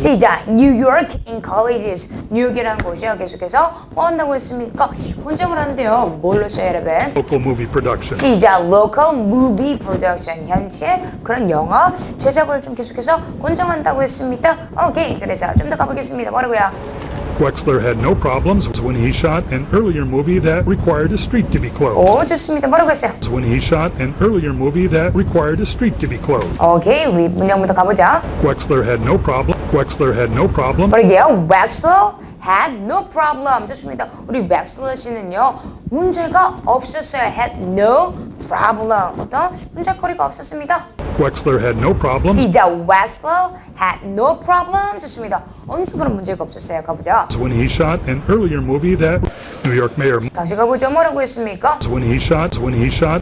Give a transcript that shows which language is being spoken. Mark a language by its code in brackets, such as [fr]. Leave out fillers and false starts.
[ko] 진짜 [en] New York encourages. [ko] 뉴욕이라는 곳이요. 계속해서 뭐 한다고 했습니까? 권장을 한대요. 뭘로 써요, 여러분? [en] Local movie production. [ko] 진짜 [en] local movie production. [ko] 현지에 그런 영화 제작을 좀 계속해서 권장한다고 했습니다. 오케이. 그래서 좀 더 가보겠습니다. 뭐라고요? [en] Wexler had no problems when he shot an earlier movie that required a street to be closed. [ko] 오, 좋습니다. 뭐라고 했어요? [en] When he shot an earlier movie that required a street to be closed. [ko] 오케이, 우리 문장부터 가보자. [en] Wexler had no problem. Wexler had no problem. [ko] 그러게요. [en] Wexler had no problem. [ko] 좋습니다. 우리 Wexler 씨는요, 문제가 없었어요. [en] Had no problem. [ko] 어떤 문제거리가 없었습니다. [en] Wexler had no problems. [ko] 진짜 [en] Wexler had no problem. [ko] 좋습니다. 언제 그런 문제가 없었어요? 가보죠. [en] So when he shot an earlier movie that New York Mayor [ko] 다시 가보죠. 뭐라고 했습니까? [en] So when he shot, so when he shot.